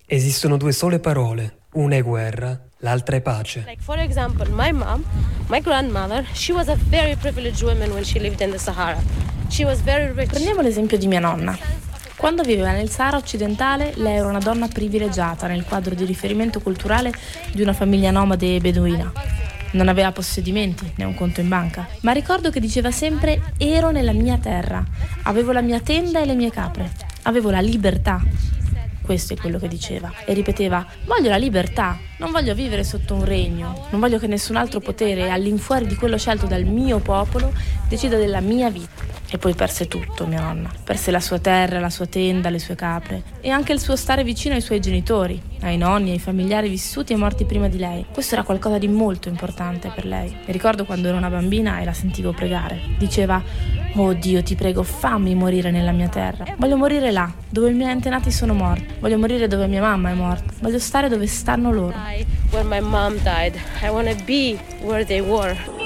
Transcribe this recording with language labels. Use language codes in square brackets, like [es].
[it] Sono due sole parole, una è guerra, l'altra è pace. [en] Like for example, my mom, my grandmother, she was a very privileged woman when she lived in the Sahara. She was very rich. [it] Prendiamo l'esempio di mia nonna. Quando viveva nel Sahara occidentale, lei era una donna privilegiata nel quadro di riferimento culturale di una famiglia nomade beduina. Non aveva possedimenti né un conto in banca, ma ricordo che diceva sempre: ero nella mia terra, avevo la mia tenda e le mie capre, avevo la libertà. Questo è quello che diceva. E ripeteva: voglio la libertà, non voglio vivere sotto un regno, non voglio che nessun altro potere, all'infuori di quello scelto dal mio popolo, decida della mia vita. E poi perse tutto, mia nonna. Perse la sua terra, la sua tenda, le sue capre e anche il suo stare vicino ai suoi genitori, ai nonni, ai familiari vissuti e morti prima di lei. Questo era qualcosa di molto importante per lei. Mi ricordo quando ero una bambina e la sentivo pregare. Diceva: oh Dio, ti prego, fammi morire nella mia terra. Voglio morire là, dove i miei antenati sono morti. Voglio morire dove mia mamma è morta. Voglio stare dove stanno loro. [en] When my mom died, I want to be where they were.